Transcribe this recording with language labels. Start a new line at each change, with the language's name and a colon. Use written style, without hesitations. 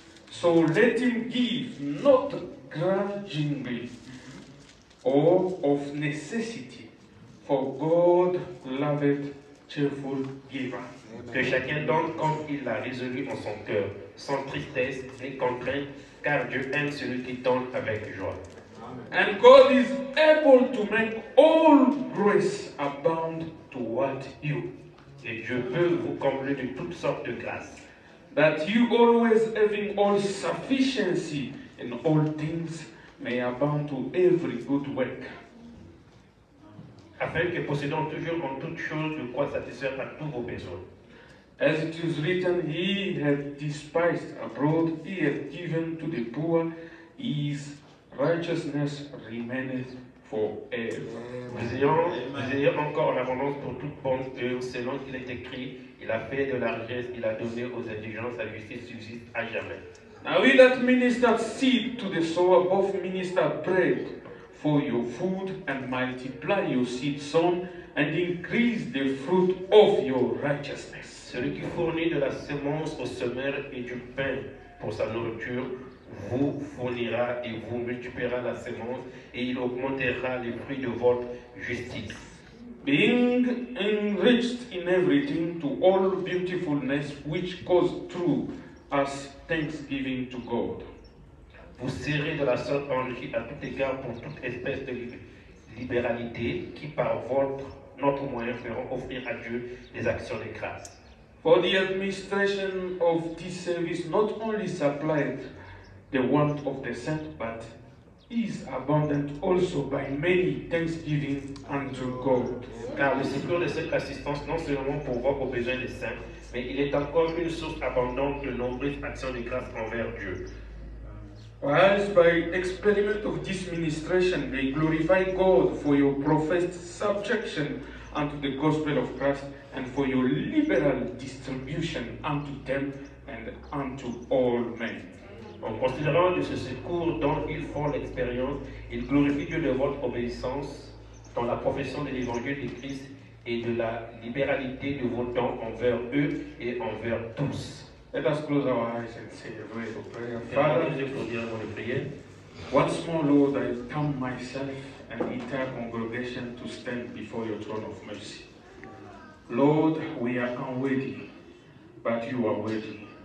English: So let him give not grudgingly or of necessity, for God loveth cheerful giver.
French: Que chacun donne comme il l'a résolu en son cœur, sans tristesse ni contrainte, car Dieu aime celui qui donne avec joie.
English: Amen. And God is able to make all grace abound toward you.
French: Et Dieu peut vous combler de toutes sortes de grâces.
English: That you always having all sufficiency in all things may abound to every good work.
French: Afin que possédant toujours en toutes choses de quoi satisfaire à tous vos besoins.
English: As it is written, he hath despised abroad, he hath given to the poor, his righteousness remaineth forever.
French: Nous ayons encore en abondance pour toute bonne œuvre, selon qu'il est écrit, il a fait de largesse, il a donné aux indigents, sa justice subsiste à jamais.
English: Now he that ministered seed to the sower, both ministered bread for your food, and multiply your seed sown, and increase the fruit of your righteousness.
French: Celui qui fournit de la semence au semeur et du pain pour sa nourriture vous fournira et vous multipliera la semence et il augmentera les fruits de votre justice.
English: Being enriched in everything to all beautifulness which goes through us thanksgiving to God.
French: Vous serez de la sorte enrichi à tout égard pour toute espèce de libéralité qui par votre notre moyen feront offrir à Dieu des actions de grâce.
English: For the administration of this service not only supplied the want of the saint, but is abundant also by many thanksgiving unto God.
French: Car le secours de cette assistance non seulement pourvoit aux besoins des saints, mais il est encore une source abondante de nombreuses actions de grâce envers Dieu.
English: As by experiment of this ministration, they glorify God for your professed subjection unto the gospel of Christ and for your liberal distribution unto them and unto all men.
French: En considérant de ce secours dont ils font l'expérience, ils glorifient Dieu de votre obéissance dans la profession de l'évangile de Christ et de la libéralité de vos dons envers eux et envers tous.
English: Let us close our eyes and say a word of prayer. Once more, Lord, I come myself and the entire congregation to stand before your throne of mercy. Lord, we are unworthy, but you are worthy.